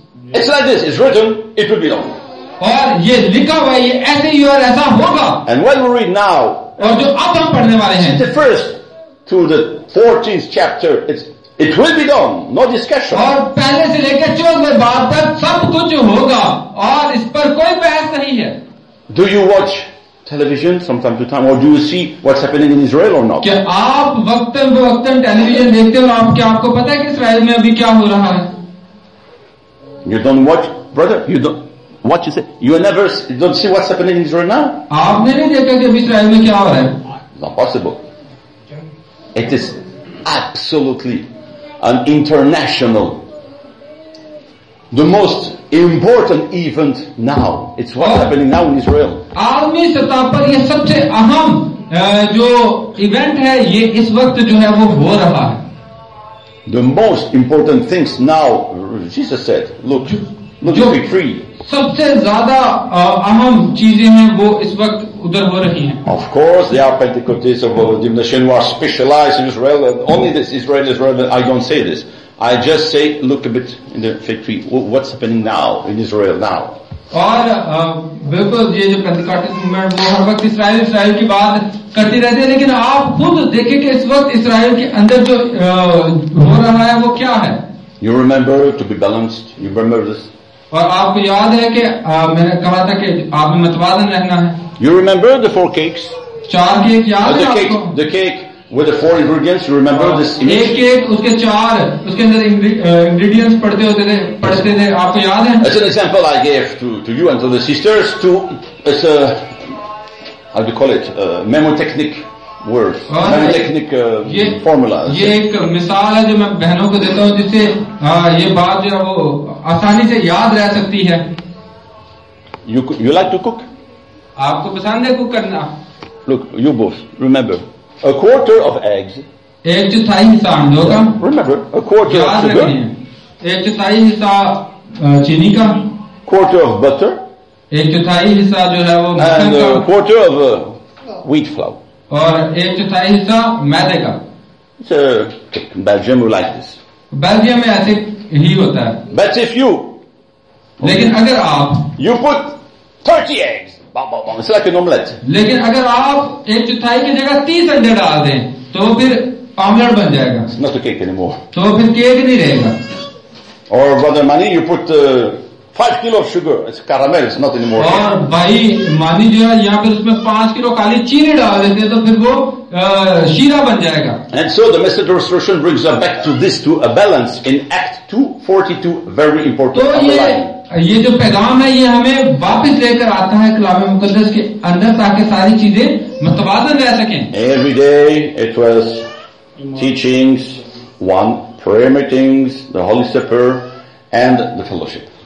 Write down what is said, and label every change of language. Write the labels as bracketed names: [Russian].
[English] It's like this, it's written, it will be wrong. [Hindi] और ये लिखा हुआ ये ऐसे ही और ऐसा होगा। [English] And when we read now, [Hindi] और जो अब हम पढ़ने वाले हैं, [English] the first to the 14th chapter, it will be done, no discussion. [Hindi] और पहले से लेकर 14वें बाद तक सब कुछ होगा और इस पर कोई बहस नहीं है। [English] Do you watch television from time to time, or do you see what's happening in Israel or not? [Hindi] क्या आप वक्तन टेलीविजन देखते हो? आप क्या आपको पता है कि इसराइल में अभी क्या हो रहा है? [English] You don't watch, brother, you don't. What you say? You never don't see what's happening in Israel now? [Hindi] आपने नहीं देखा कि इसराइल में क्या हो रहा है? [English] Not possible. It is absolutely an international, the most important event now. It's what's happening now in Israel. [Hindi] आलमी सतह पर यह सबसे अहम जो इवेंट है ये इस वक्त जो है वो हो रहा है. [English] The most important things now, Jesus said, look, you'll be free. [Hindi] सबसे ज्यादा अहम चीजें हैं वो इस वक्त उधर हो रही हैं। [English] Of course, there are Pentecostals of denomination who are specialized in Israel. Only this Israel is relevant. I don't say this. I just say, look a bit in the fig tree. What's happening now in Israel now? [Hindi] और बिल्कुल ये जो Pentecostal movement वो हर वक्त Israel की बात करती रहती है, लेकिन आप खुद देखें कि इस वक्त इसराइल के अंदर जो हो रहा है वो क्या है? [English] You remember to be balanced. You remember this. [Hindi] और आपको याद है कि मैंने कहा था कि आप मतवाजन रहना है। [English] You remember the four cakes? [Hindi] चार केक याद है आपको? [English] The cake with the four ingredients. You remember this image? [Hindi] एक केक उसके चार उसके अंदर इंग्रेडिएंट्स पढ़ते थे आपको याद है? [English] As an example I gave to you and to the sisters to as a how do you call it mnemotechnic words, mnemotechnic formula. [Hindi] ये एक मिसाल है जो मैं बहनों को देता हूँ जिससे ये बात जो है वो आसानी से याद रह सकती है। [English] You like to cook? [Hindi] आपको पसंद है कुक करना? [English] Look, you both remember a quarter of eggs. [Hindi] एक चौथाई हिस्सा अंडों का। [English] Remember a quarter of sugar. [Hindi] एक चौथाई हिस्सा चीनी का। [English] Quarter of butter. [Hindi] एक चौथाई हिस्सा जो है वो मक्खन का। [English] And a quarter of wheat flour. [Hindi] और एक चौथाई हिस्सा मैदे का। [English] It's a cake. Belgium will like this. [Hindi] Belgium में ऐसे ही होता है। [English] But if you, [Hindi] लेकिन अगर आप, [English] you put 30 eggs, bam, bam, bam, it's like an omelette. [Hindi] लेकिन अगर आप एक चौथाई की जगह 30 अंडे डाल दें तो फिर ऑमलेट बन जाएगा। [English] It's not a cake anymore. [Hindi] तो फिर केक नहीं रहेगा। [English] Or brother Mani, you put 5 kilo of sugar, it's caramel, it's not anymore. [Hindi] और भाई मानी जो है यहाँ पर उसमें 5 किलो काली चीनी डाल देते हैं तो फिर वो शीरा बन जाएगा। [English] And so the message of restoration brings us back to this, to a balance in Act 2:42, very important. [Hindi] तो ये ये जो पैगाम है ये हमें वापस लेकर आता है कलाम मुकद्दस के अंदर ताकि सारी चीजें मुतवाज़न रह सकें. [English] Every day it was teachings one prayer meetings the holy supper and the fellowship.